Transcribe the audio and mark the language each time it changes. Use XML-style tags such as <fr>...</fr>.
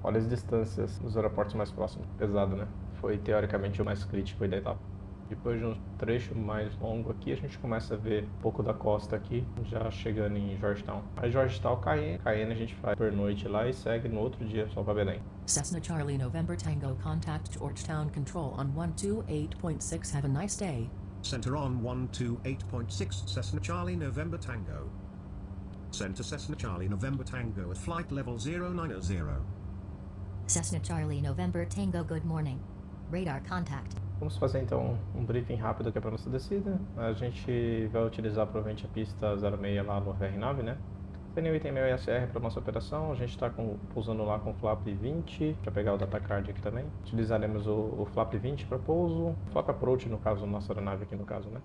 <pt>Olha as distâncias nos aeroportos mais próximos, pesado, né? Foi teoricamente o mais crítico da etapa. Depois de um trecho mais longo aqui, a gente começa a ver um pouco da costa aqui, já chegando em Georgetown. Aí Georgetown cai, caindo a gente faz pernoite lá e segue no outro dia só para Belém.</pt> <en>Cessna Charlie November Tango, contact Georgetown Control on 128.6, have a nice day. Center on 128.6, Cessna Charlie November Tango. Center Cessna Charlie November Tango at flight level 090. Cessna Charlie November Tango, good morning. Radar contact.</en> <pt>Vamos fazer então um briefing rápido aqui para a nossa descida. A gente vai utilizar provavelmente a pista 06 lá no VR9, né? pneu item meio ASR para nossa operação. A gente está pousando lá com o flap 20 para pegar o data card aqui também. Utilizaremos o flap 20 para pouso. Flap approach, no caso, nossa aeronave aqui, no caso, né?</pt>